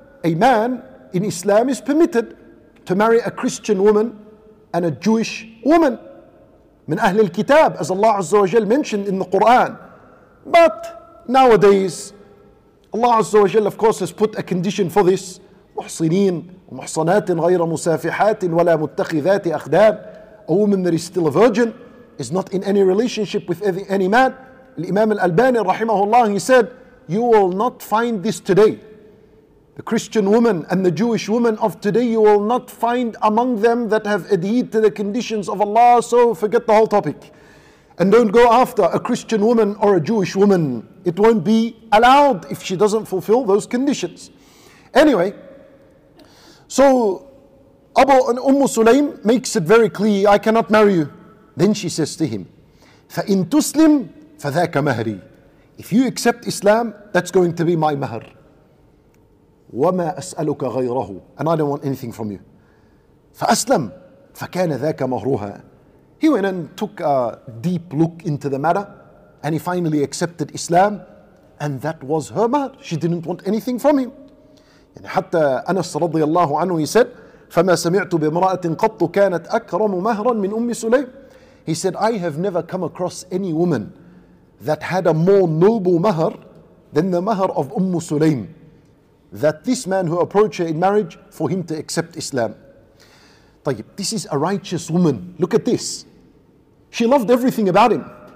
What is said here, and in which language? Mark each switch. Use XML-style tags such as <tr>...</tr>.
<en>A man in Islam is permitted to marry a Christian woman and a Jewish woman.</en> <ar>من أهل الكتاب,</ar> <en>as Allah Azza wa Jal mentioned in the Quran. But nowadays, Allah Azza wa Jal of course has put a condition for this.</en> <ar>محصنين ومحصنات غير مسافحات ولا متخذات أخدان.</ar> <en>A woman that is still a virgin is not in any relationship with any man.</en> <ar>الإمام الألباني رحمه الله,</ar> <en>he said, you will not find this today. The Christian woman and the Jewish woman of today, you will not find among them that have adhered to the conditions of Allah, so forget the whole topic. And don't go after a Christian woman or a Jewish woman. It won't be allowed if she doesn't fulfill those conditions. Anyway, so Abu and Umm Sulaym makes it very clear, I cannot marry you. Then she says to him,</en> <ar>فَإِن تُسْلِمْ فَذَاكَ مَهْرِي.</ar> <en>If you accept Islam, that's going to be my mahr.</en> <ar>وما أسألك غيره,</ar> <en>and I don't want anything from you.</en> <ar>فأسلم فكان ذاك مهرها.</ar> <en>He went and took a deep look into the matter, and he finally accepted Islam, and that was her mahr. She didn't want anything from him.</en> <ar>يعني حتى أنس رضي الله عنه,</ar> <en>he said,</en> <ar>فما سمعت بامرأة قط كانت أكرم مهرا من أم سليم.</ar> <en>He said, I have never come across any woman that had a more noble mahr than the mahr of Umm Sulaym, that this man who approached her in marriage, for him to accept Islam. طيب, this is a righteous woman. Look at this. She loved everything about him.</en>